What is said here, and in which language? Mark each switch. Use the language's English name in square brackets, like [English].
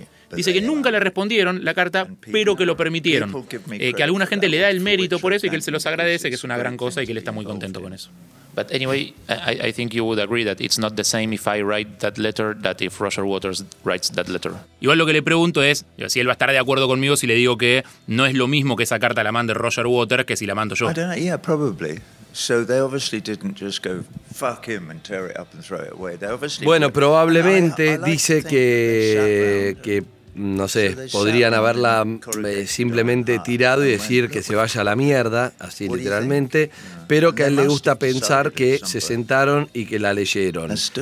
[Spanish] Dice que nunca le respondieron la carta, pero que lo permitieron. Que alguna gente le da el mérito por eso y que él se los agradece, que es una gran cosa y que él está muy contento con eso. [English] But anyway, I think you would agree that it's not the same if I write that letter that if Roger Waters writes that letter. [Spanish] Igual lo que le pregunto es si él va a estar de acuerdo conmigo si le digo que no es lo mismo que esa carta la mande Roger Waters que si la mando yo. [English] I don't know. Yeah, probably. So they obviously didn't just go fuck him and tear it up and throw it away. They obviously. [Spanish] Bueno, probablemente dice que no sé, podrían haberla simplemente tirado y decir que se vaya a la mierda, así literalmente, pero que a él le gusta pensar que se sentaron y que la leyeron.